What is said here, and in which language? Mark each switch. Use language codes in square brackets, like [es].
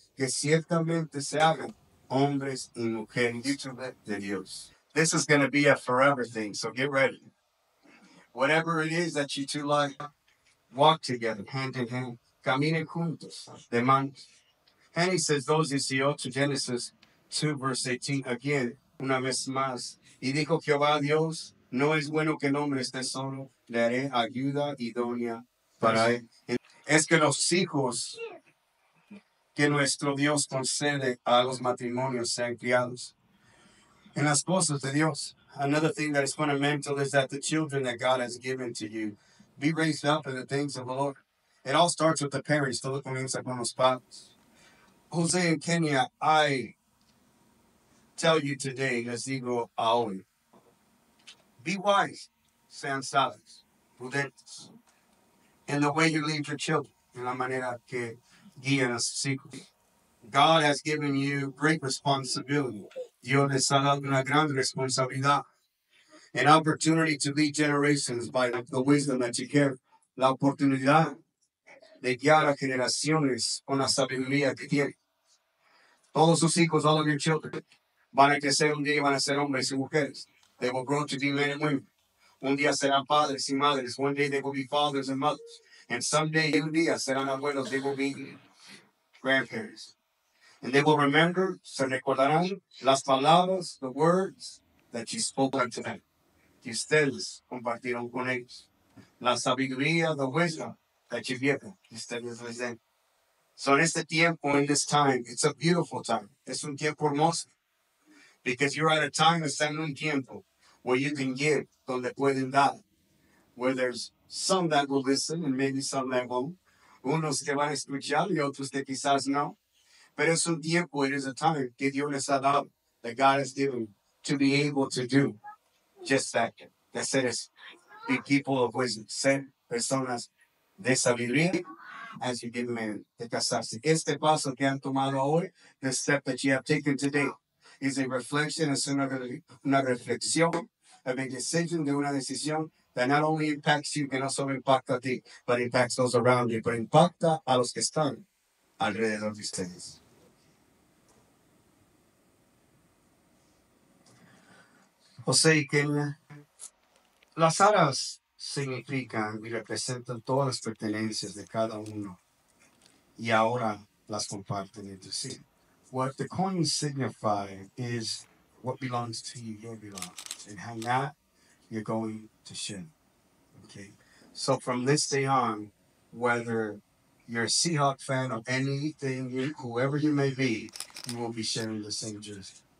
[es] Que ciertamente se hagan hombres y mujeres de Dios. [en] This is going to be a forever thing, so get ready. Whatever it is that you two like, walk together, hand in hand. [es] Caminen juntos, de manos. [en] And he says, those 18, Genesis 2, verse 18, again, [es] una vez más. Y dijo Jehová Dios, no es bueno que el hombre esté solo, le haré ayuda idónea para él. Es que los hijos que nuestro Dios concede a los matrimonios sean criados en las cosas de Dios. [en] Another thing that is fundamental is that the children that God has given to you, be raised up in the things of the Lord. It all starts with the parents, [es] todo comienza con los padres. [en] Jose in Kenya, I tell you today, [es] les digo a hoy, [en] be wise, [es] sean sabios, prudentes, [en] in the way you lead your children, [es] en la manera que guían a sus hijos. [en] God has given you great responsibility. [es] Dios les ha dado una gran responsabilidad. [en] An opportunity to lead generations by the wisdom that you carry. [es] La oportunidad de guiar a generaciones con la sabiduría que tiene. Todos sus hijos, [en] all of your children, [es] van a crecer un día y van a ser hombres y mujeres. [en] They will grow to be men and women. [es] Un día serán padres y madres. [en] One day they will be fathers and mothers. And someday, [es] un día serán abuelos. [en] They will be grandparents. And they will remember, [es] se recordarán las palabras, [en] the words that you spoke unto them. [es] Que ustedes compartieron con ellos. La sabiduría, [en] the wisdom that you gave them. [es] Que ustedes les den. [en] So in [es] este tiempo, [en] in this time, it's a beautiful time. [es] Es un tiempo hermoso. [en] Because you're at a time, it's [es] en un tiempo, [en] where you can give, [es] donde pueden dar. [en] Where there's some that will listen, and maybe some that won't. [es] Unos que van a escuchar, y otros que quizás no. [en] But [es] es un tiempo, [en] it is a time, [es] que Dios les ha dado, [en] that God has given, to be able to do just that. [es] De ser es, [en] be people of wisdom, [es] ser personas de sabiduría. [en] As you give men [es] de casarse. Este paso que han tomado hoy, [en] the step that you have taken today, is a reflection, [es] es una reflexión, [en] of a decision, [es] de una decisión, [en] that not only impacts you, [es] que no solo impacta a ti, [en] but impacts those around you, [es] pero impacta a los que están alrededor de ustedes. José y Kenia, las aras significan y representan todas las pertenencias de cada uno. Y ahora las comparten entre sí. [en] What the coins signify is what belongs to you, your belongings, and how that you're going to share. Okay. So from this day on, whether you're a Seahawk fan or anything, whoever you may be, you will be sharing the same jersey.